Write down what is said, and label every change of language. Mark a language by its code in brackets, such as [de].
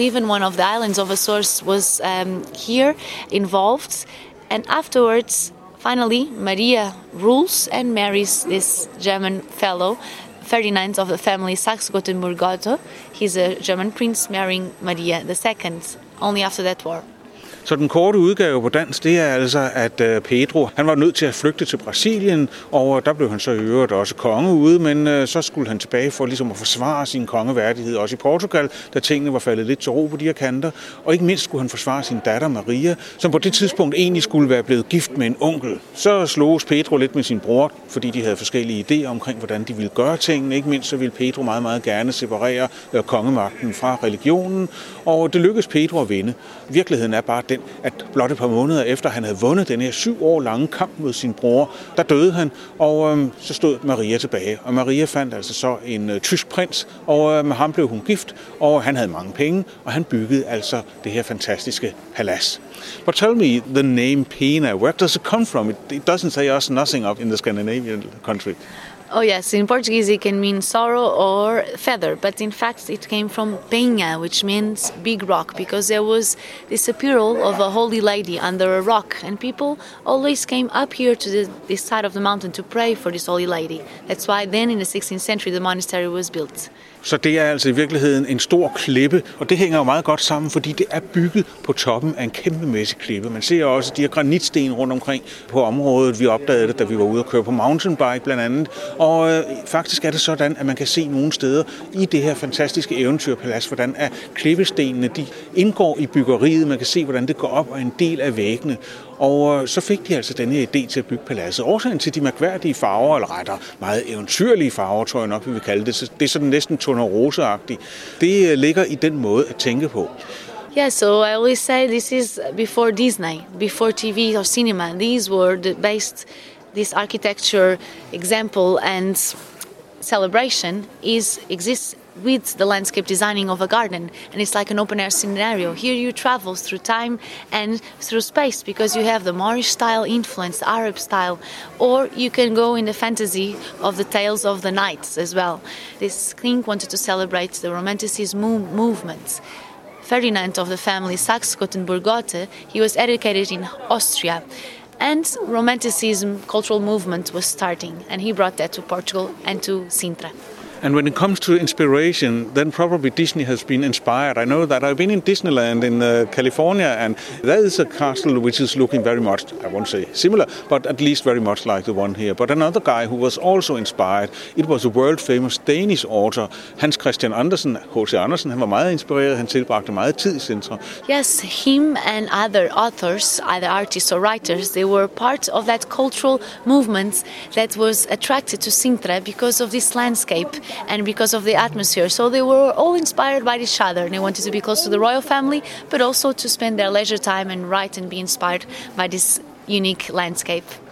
[en] Even one of the islands of Açores was here involved. And afterwards, finally, Maria rules and marries this German fellow, Ferdinand of the family Saxe-Gotenburg-Gotha. He's a German prince marrying Maria II, only after that war. [da] Så den korte udgave på dansk, det er altså, at Pedro, han var nødt til at flygte til Brasilien, og der blev han så i øvrigt også konge ude, men så skulle han tilbage for ligesom at forsvare sin kongeværdighed, også i Portugal, da tingene var faldet lidt til ro på de her kanter, og ikke mindst skulle han forsvare sin datter Maria, som på det tidspunkt egentlig skulle være blevet gift med en onkel. Så sloges Pedro lidt med sin bror, fordi de havde forskellige idéer omkring, hvordan de ville gøre tingene, ikke mindst så ville Pedro meget, meget gerne separere kongemagten fra religionen, og det lykkedes Pedro at vinde. Virkeligheden er bare den, at blot et par måneder efter, han havde vundet den her 7 år lange kamp mod sin bror, der døde han, og så stod Maria tilbage. Og Maria fandt altså så en tysk prins, og med ham blev hun gift, og han havde mange penge, og han byggede altså det her fantastiske palads. [en] But tell me, the name Pina, where does it come from? It doesn't say us nothing of in the Scandinavian country. Oh yes, in Portuguese it can mean sorrow or feather, but in fact it came from Penha, which means big rock, because there was this appearance of a holy lady under a rock, and people always came up here to this side of the mountain to pray for this holy lady. That's why then in the 16th century the monastery was built. [da] Så det er altså i virkeligheden en stor klippe, og det hænger jo meget godt sammen, fordi det er bygget på toppen af en kæmpemæssig klippe. Man ser også de her granitsten rundt omkring på området. Vi opdagede det, da vi var ude at køre på mountainbike blandt andet. Og faktisk er det sådan, at man kan se nogle steder i det her fantastiske eventyrpalads, hvordan er klippestenene de indgår i byggeriet. Man kan se, hvordan det går op og en del af væggene. Og så fik de altså denne idé til at bygge paladset. Årsagen til de mærkværdige farver, eller retter, meget eventyrlige farver, tror jeg nok, vi vil kalde det. Så det er sådan næsten tonerose-agtigt. Det ligger i den måde at tænke på. [en] Yeah, so I always say this is before Disney, before TV or cinema. These were the based, this architecture example and celebration exists with the landscape designing of a garden, and it's like an open air scenario. Here you travel through time and through space because you have the Moorish style influence, Arab style, or you can go in the fantasy of the tales of the knights as well. This king wanted to celebrate the Romanticism movements. Ferdinand of the family Saxe-Gotha-Gotha, he was educated in Austria, and Romanticism cultural movement was starting, and he brought that to Portugal and to Sintra. And when it comes to inspiration, then probably Disney has been inspired. I know that I've been in Disneyland in California, and that is a castle which is looking very much, I won't say similar, but at least very much like the one here. But another guy who was also inspired, it was a world famous Danish author, Hans Christian Andersen, H.C. [da] Andersen, han var meget inspireret, han tilbragte meget tid i Sintra. [en] Yes, him and other authors, either artists or writers, they were part of that cultural movement that was attracted to Sintra because of this landscape and because of the atmosphere. So they were all inspired by each other, and they wanted to be close to the royal family, but also to spend their leisure time and write and be inspired by this unique landscape.